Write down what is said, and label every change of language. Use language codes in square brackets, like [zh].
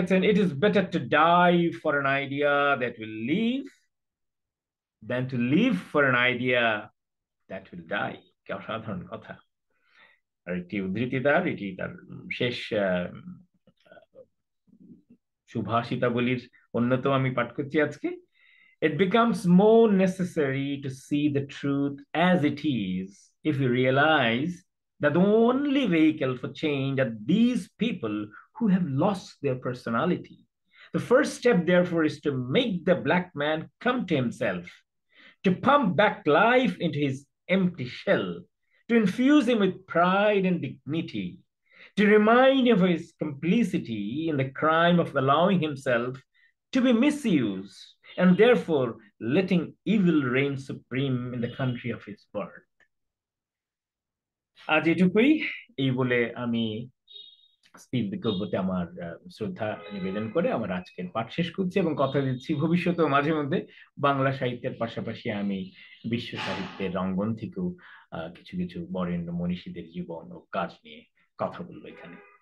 [en] It is better to die for an idea that will live than to live for an idea that will die. [bn] অসাধারণ কথা। আর একটি উদ্ধৃতি তার, এটি তার শেষ সুভাষিতাবলীর অন্যতম আমি পাঠ করছি আজকে। [en] It becomes more necessary to see the truth as it is if you realize that the only vehicle for change are these people who have lost their personality. The first step, therefore, is to make the black man come to himself, to pump back life into his empty shell, to infuse him with pride and dignity, to remind him of his complicity in the crime of allowing himself to be misused and therefore letting evil reign supreme in the country of his birth. [bn] আজ এটুকুই, এই বলে আমি Steve বিকোর প্রতি আমার শ্রদ্ধা নিবেদন করে আমার আজকের পাঠ শেষ করছি এবং কথা দিচ্ছি ভবিষ্যতেও মাঝে মধ্যে বাংলা সাহিত্যের পাশাপাশি আমি বিশ্ব সাহিত্যের রঙ্গন থেকেও কিছু কিছু বরেণ্য মনীষীদের জীবন ও কাজ নিয়ে কথা বলবো এখানে।